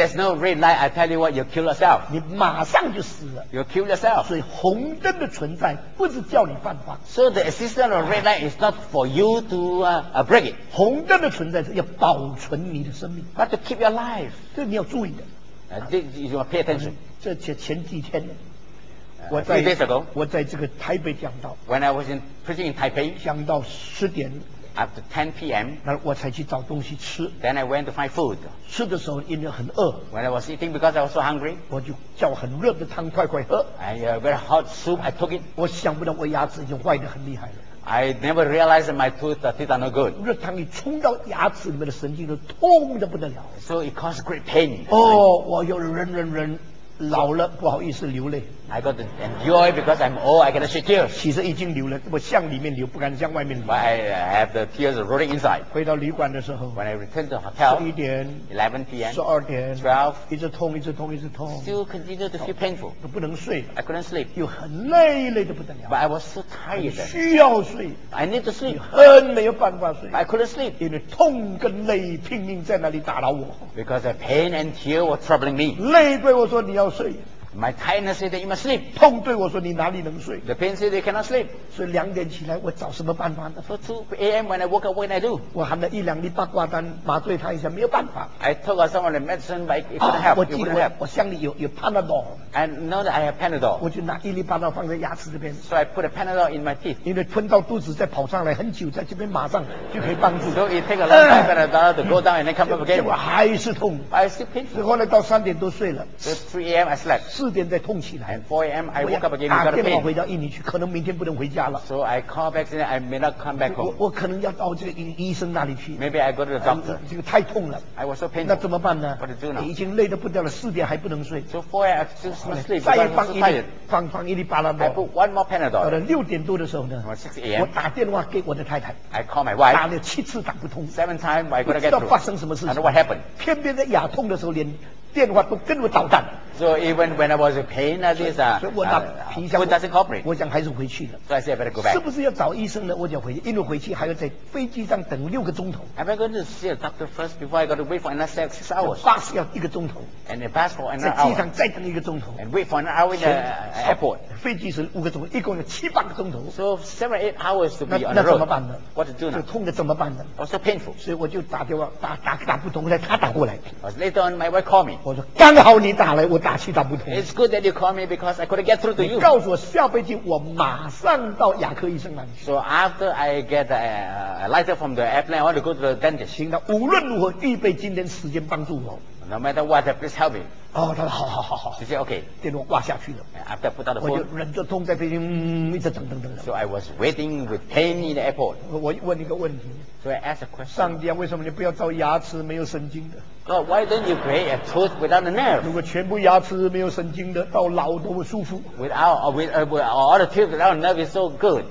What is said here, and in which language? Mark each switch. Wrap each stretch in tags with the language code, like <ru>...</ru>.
<en>If there's no red light, I tell you what, you kill yourself.</en> <zh>你马上就死了。</zh> <en>You kill yourself.</en> <zh>所以红灯的存在不是叫你犯法。</zh> <en>So the existence of red light is not for you to break it.</en> <zh>红灯的存在是要保存你的生命。</zh> <en>But to keep your life.</en> <zh>这你要注意的。</zh> <en>You want to pay attention.</en> <zh>这前几天呢，我在这个台北讲道。</zh> <en>When I was in preaching in Taipei,</en> <zh>讲到十点。</zh> <en>After 10 p.m.</en> <zh>那我才去找东西吃。</zh> <en>Then I went to find food.</en> <zh>吃的时候因为很饿。</zh> <en>When I was eating because I was so hungry,</en> <zh>我就叫很热的汤快快喝。</zh> <en>I had a very hot soup. I took it.</en> <zh>我想不到我牙齿已经坏得很厉害了。</zh> <en>I never realized that my tooth teeth are no good.</en> <zh>热汤一冲到牙齿里面的神经都痛得不得了。</zh> <en>So it caused great pain.</en> <zh>我要忍，老了不好意思流泪。</zh> <en>I got to enjoy because I'm old. I cannot shed tears.</en> <zh>其实已经流了，我向里面流，不敢向外面流。</zh> <en>But I have the tears rolling inside.</en> <zh>回到旅馆的时候</zh> <en>，When I return to hotel,</en> <zh>十一点</zh> <en>，11 p.m.</en> <zh>十二点</zh> <en>，12,</en> <zh>一直痛。</zh> <en>Still continue to feel painful.</en> <zh>不能睡</zh> <en>，I couldn't sleep.</en> <zh>又很累得不得了。</zh> <en>But I was so tired.</en> <zh>需要睡</zh> <en>，I need to sleep.</en> <zh>很没有办法睡</zh> <en>，I couldn't sleep.</en> <zh>因为痛跟累拼命在那里打扰我。</zh> <en>Because the pain and tears were troubling me.</en> <zh>累对我说你要睡。</zh> <en>My tightness said that you must sleep.</en> <zh>痛对我说你哪里能睡？</zh> <en>The pain said they cannot sleep.</en> <zh>所以两点起来我找什么办法呢？</zh> <en>So 2 a.m. when I woke up, what can I do?</en> <zh>我含了一两粒八卦丹麻醉他一下，没有办法。</zh> <en>I took some of the medicine, but it couldn't help.</en> <zh>我记得我箱里有 Panadol.</zh> <en>I know that I have Panadol.</en> <zh>我就拿一粒 Panadol 放在牙齿这边。</zh> <en>So I put a Panadol in my teeth.</en> <zh>因为吞到肚子再跑上来很久，在这边马上就可以帮助。</zh> <en>So it take a long time for Panadol to go down and then come up again.</en> <zh>结果还是痛。</zh> <en>I still pain.</en> <zh>后来到三点都睡了。</zh> <en>So 3 a.m. I slept.</en> <zh>四点再痛起来</zh> <en>，4 a.m. I woke up again.</en> <zh>打电话回到印尼去，可能明天不能回家了。</zh> <en>So I call back saying I may not come back home.</en> <zh>我可能要到这个医生那里去。</zh> <en>Maybe I go to the doctor.</en> <zh>这个太痛了。</zh> <en>I was so painful.</en> <zh>那怎么办呢</zh> <en>？What to do now?</en> <zh>已经累得不掉了，四点还不能睡。</zh> <en>So 4 a.m. I still sleep.</en> <zh>再放一粒巴拉诺。</zh> <en>I put one more Panadol.</en> <zh>到了六点多的时候呢</zh> <en>，6 a.m.</en> <zh>我打电话给我的太太。</zh> <en>I call my wife.</en> <zh>打了七次打不通。</zh> <en>7 times I couldn't get through.</en> <zh>不知道发生什么事情。</zh> <en>I know what happened.</en> <zh>偏偏在牙痛的时候连。电话都跟我捣蛋。</zh> <en>So even when I was in pain, this doesn't cooperate.</en> <zh>我想还是回去了。</zh> <en>So I said I better go back.</en> <zh>是不是要找医生呢？我想回去，因为回去还要在飞机上等六个钟头。</zh> <en>Am I going to see a doctor first before I got to wait for another six hours?</en> <zh>Bus 要一个钟头。</zh> <en>And the bus for another hour.</en> <zh>在机场再等一个钟头。</zh> <en>And wait for an hour in the airport.</en> <zh>飞机是五个钟头，一共有七八个钟头。</zh> <en>So 7 or 8 hours to be on the road.</en> <zh>那怎么办呢</zh> <en>？What to do now?</en> <zh>就痛的怎么办呢</zh> <en>？Also painful.</en> <zh>所以我就打电话打不通，来他打过来。</zh> <en>Later on, my wife called me.</en> <zh>我说刚好你打来，我打气打不通。</zh> <en>It's good that you call me because I couldn't get through to you.</en> <zh>你告诉我下飞机，我马上到牙科医生那里。</zh> <en>So after I get a letter from the airplane, I want to go to the dentist.</en> <zh>行了，无论如何预备今天时间帮助我。</zh> <en>No matter what, please help me.</en> <zh>哦，他说好。</zh> <en>She said OK.</en> <zh>电话挂下去了。</zh> <en>After I put down the phone,</en> <zh>我就忍着痛在飞机一直等。</zh> <en>So I was waiting with pain in the airport.</en> <zh>我问一个问题。</zh> <en>So I asked a question.</en> <zh>上帝啊，为什么你不要造牙齿没有神经的？</zh> <en>God, why don't you create a tooth without a nerve?</en> <zh>如果全部牙齿没有神经的，到老都舒服。</zh> <en>Without all the teeth without a nerve is so good.</en>